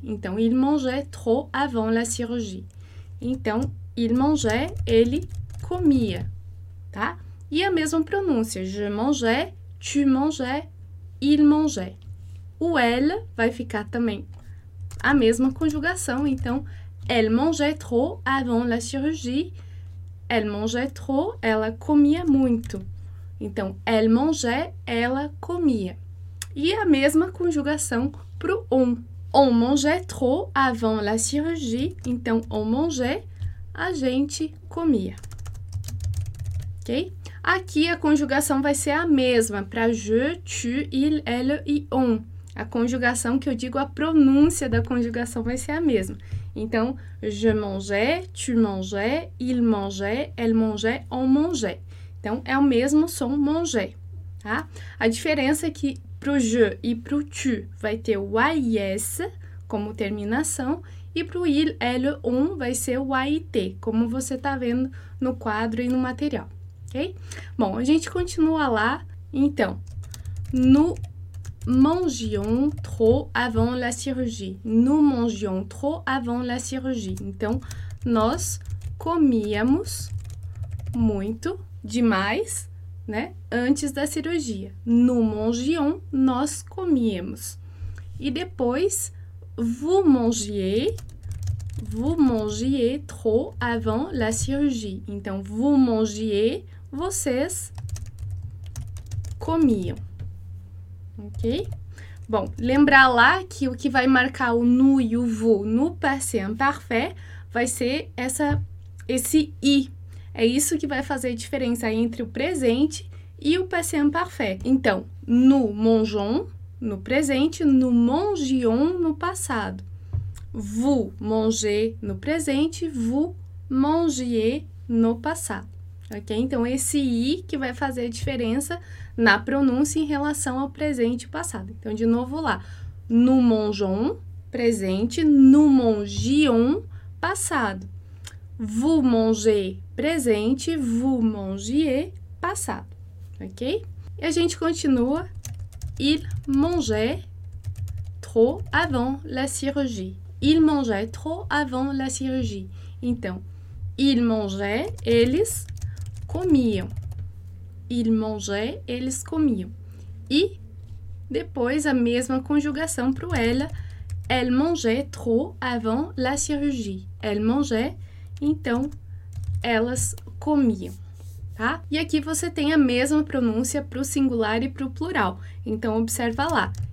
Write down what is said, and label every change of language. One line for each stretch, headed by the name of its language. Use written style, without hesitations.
French: Então, il mangeait trop avant la chirurgie. Então, il mangeait,
Portuguese: ele comia, tá? E a mesma pronúncia:
French: je mangeais, tu mangeais, il mangeait.
Portuguese: O elle vai ficar também a mesma conjugação.
French: Então, elle mangeait trop avant la chirurgie. Elle mangeait trop,
Portuguese: ela comia muito. Então,
French: elle mangeait,
Portuguese: ela comia. E a mesma conjugação para o on.
French: On mangeait trop avant la chirurgie.
Portuguese: Então,
French: on mangeait,
Portuguese: a gente comia. Ok? Aqui a conjugação vai ser a mesma para je, tu, il, elle e on. A conjugação que eu digo, a pronúncia da conjugação vai ser a mesma.
French: Então, je mangeais, tu mangeais, il mangeait, elle mangeait, on mangeait.
Portuguese: Então, é o mesmo som mangeait, tá? A diferença é que para o je e para o tu vai ter o AIS como terminação, e para o il, elle, on vai ser o AIT, como você está vendo no quadro e no material. Ok? Bom, a gente continua lá. Então,
French: nous mangions trop avant la chirurgie. Nous mangions trop avant la chirurgie.
Portuguese: Então, nós comíamos muito demais, né, antes da cirurgia.
French: Nous mangions,
Portuguese: nós comíamos. E depois,
French: vous mangiez trop avant la chirurgie.
Portuguese: Então,
French: vous mangiez,
Portuguese: vocês comiam. Ok? Bom, lembrar lá que o que vai marcar o nous e o vous no passé imparfait vai ser esse i. É isso que vai fazer a diferença entre o presente e o passé imparfait. Então,
French: nous mangeons
Portuguese: no presente,
French: nous mangions
Portuguese: no passado.
French: Vous mangez
Portuguese: no presente,
French: vous mangiez
Portuguese: no passado. Ok, então esse i que vai fazer a diferença na pronúncia em relação ao presente e passado. Então, de novo lá, Numonjon, presente, Numonjion, passado. Vumonje, presente, Vumonjie, passado. Ok? E a gente continua.
French: Il mangeait trop avant la chirurgie. Il mangeait trop avant la chirurgie.
Portuguese: Então,
French: il mangeait,
Portuguese: eles comiam.
French: Il mangeait,
Portuguese: eles comiam. E depois a mesma conjugação para o elle.
French: Elle mangeait trop avant la chirurgie. Elle mangeait,
Portuguese: então, elas comiam. Tá? E aqui você tem a mesma pronúncia para o singular e para o plural. Então, observa lá.